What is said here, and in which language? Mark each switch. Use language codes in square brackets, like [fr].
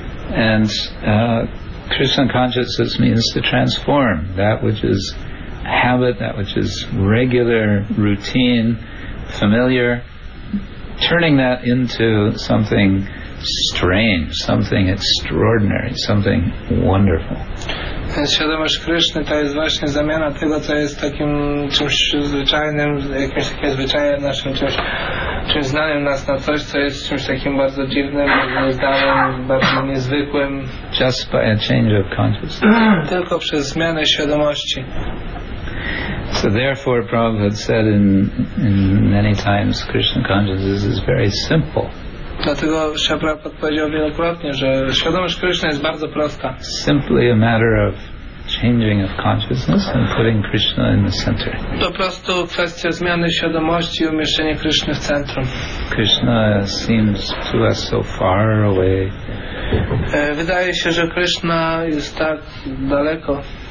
[en] And Krishna consciousness means to transform that which is habit, that which is regular, routine, familiar, turning that into something strange, something extraordinary, something wonderful. [pl] Świadomość Kryszny to jest właśnie zamiana tego, co jest takim czymś zwyczajnym, jakimś takim zwyczajem naszym, czymś znanym nas na coś, co jest czymś takim bardzo dziwnym, nieznanym, bardzo niezwykłym. [en] Just by a change of consciousness. [pl] Tylko przez zmianę świadomości. [en] So therefore Prabhupada said in many times Krishna consciousness is very simple. [pl] Dlatego Śrīla Prabhupāda powiedział wielokrotnie, że świadomość Krishna jest bardzo prosta. [en] Simply a matter of changing of consciousness and putting Krishna in the center. [pl] To prosto kwestia zmiany świadomości i umieszczenia Krishna w centrum. [en] Krishna seems to us so far away. [pl] Wydaje się, że Krishna jest tak daleko.